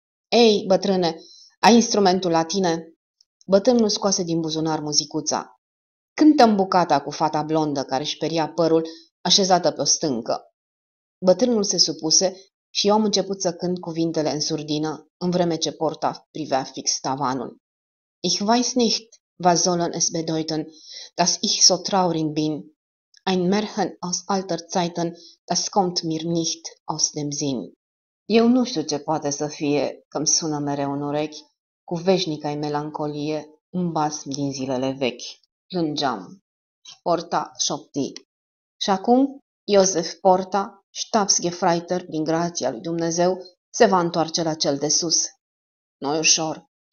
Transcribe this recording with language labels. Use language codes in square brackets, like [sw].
[ro] "Ei, bătrâne, ai instrumentul la tine?" Bătrânul scoase din buzunar muzicuța. Cântă-mi bucata cu fata blondă care își peria părul așezată pe o stâncă. Bătrânul se supuse și eu am început să cânt cuvintele în surdină, în vreme ce Porta privea fix tavanul. [de] "Ich weiß nicht, was sollen es bedeuten, dass ich so traurig bin. Ein Märchen aus alter Zeiten, das kommt mir nicht aus dem Sinn." [ro] "Eu nu știu ce poate să fie, că-mi sună mereu în urechi, cu veșnica-i melancolie, un basm din zilele vechi." Plângeam. Porta șopti. "Și acum, Iosef Porta, Stabsgefreiter din grația lui Dumnezeu, se va întoarce la cel de sus." "Nu-i ușor.